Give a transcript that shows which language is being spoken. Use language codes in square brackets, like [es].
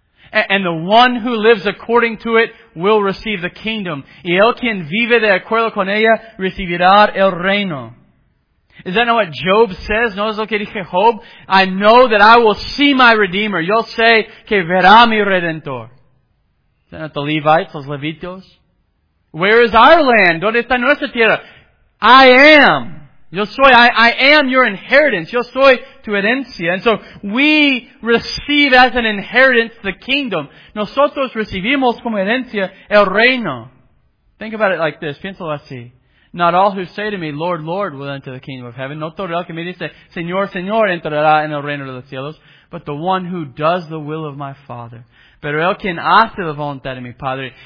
[en] And the one who lives according to it will receive the kingdom. [es] Y el quien vive de acuerdo con ella recibirá el reino. [en] Is that not what Job says? [es] ¿No es lo que dije Job? [en] I know that I will see my Redeemer. [es] Yo sé que verá mi Redentor. [en] Is that not the Levites, [es] los Levitos? [en] Where is our land? [es] ¿Dónde está nuestra tierra? [en] I am. [es] Yo soy, [en] I am your inheritance. [es] Yo soy tu herencia. [en] And so we receive as an inheritance the kingdom. [es] Nosotros recibimos como herencia el reino. [en] Think about it like this. [es] Piénsalo así. [en] Not all who say to me, Lord, Lord, will enter the kingdom of heaven. [es] No todo el que me dice, Señor, Señor, entrará en el reino de los cielos. [en] But the one who does the will of my Father. [es] Pero el quien hace la voluntad de mi Padre.